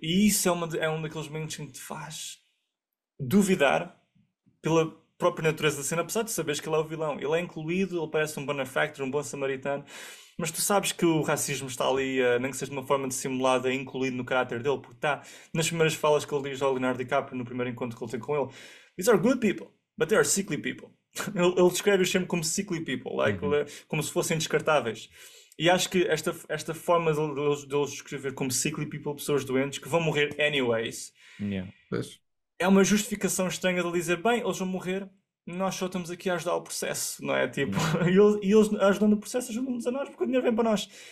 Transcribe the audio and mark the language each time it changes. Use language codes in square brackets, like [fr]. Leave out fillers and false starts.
[pt] E isso é um daqueles momentos em que te faz duvidar pela própria natureza da cena, apesar de saberes que ele é o vilão. Ele é incluído, ele parece um benefactor, um bom samaritano, mas tu sabes que o racismo está ali, nem que seja de uma forma dissimulada, incluído no caráter dele, porque está nas primeiras falas que ele diz ao Leonardo DiCaprio, no primeiro encontro que ele tem com ele. [en] These are good people, but they are sickly people. [pt] Ele descreve-os sempre como [en] sickly people, like, [pt] como se fossem descartáveis. E acho que esta forma de eles descrever como [en] sickly people, [pt] pessoas doentes, que vão morrer [en] anyways, [pt] é uma justificação estranha de dizer, bem, eles vão morrer, nós só estamos aqui a ajudar o processo, não é? Tipo, e eles ajudando o processo, ajudam-nos a nós, porque o dinheiro vem para nós.